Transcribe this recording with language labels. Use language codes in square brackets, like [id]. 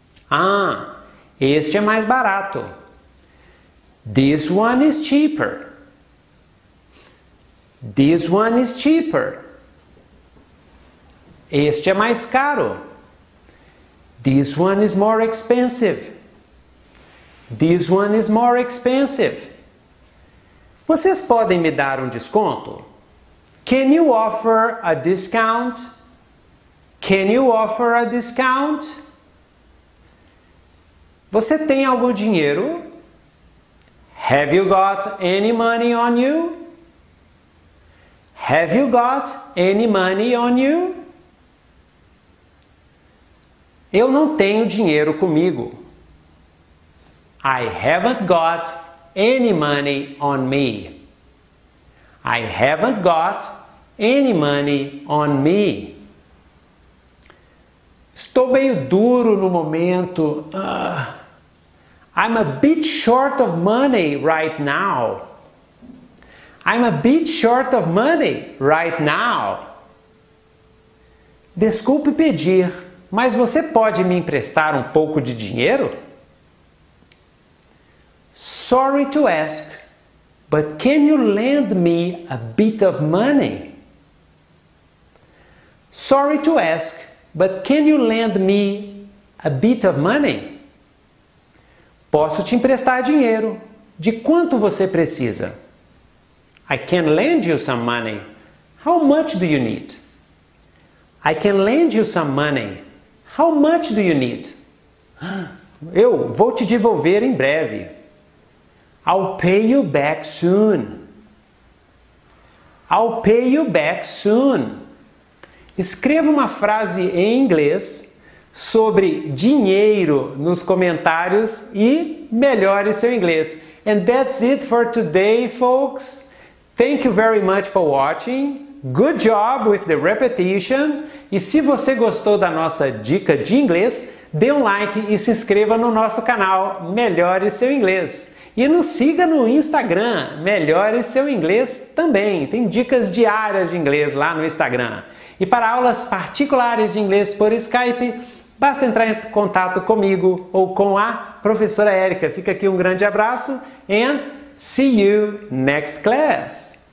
[pt] Ah, este é mais barato. [en] This one is cheaper. This one is cheaper. [pt] Este é mais caro. [en] This one is more expensive. This one is more expensive. [pt] Vocês podem me dar um desconto? [en] Can you offer a discount? Can you offer a discount? [pt] Você tem algum dinheiro? [en] Have you got any money on you? Have you got any money on you? [pt] Eu não tenho dinheiro comigo. [en] I haven't got any money on me. I haven't got any money on me. [pt] Estou meio duro no momento. [en] I'm a bit short of money right now. I'm a bit short of money right now. [pt] Desculpe pedir, mas você pode me emprestar um pouco de dinheiro? [en] Sorry to ask, but can you lend me a bit of money? Sorry to ask, but can you lend me a bit of money? [pt] Posso te emprestar dinheiro. De quanto você precisa? [en] I can lend you some money. How much do you need? I can lend you some money. How much do you need? [pt] Eu vou te devolver em breve. [en] I'll pay you back soon. I'll pay you back soon. [pt] Escreva uma frase em inglês sobre dinheiro nos comentários e melhore seu inglês. [en] And that's it for today, folks. Thank you very much for watching. Good job with the repetition. [pt] E se você gostou da nossa dica de inglês, dê um like e se inscreva no nosso canal Melhore Seu Inglês. E nos siga no Instagram Melhore Seu Inglês também. Tem dicas diárias de inglês lá no Instagram. E para aulas particulares de inglês por Skype, basta entrar em contato comigo ou com a professora Erika. Fica aqui um grande abraço [en] and see you next class!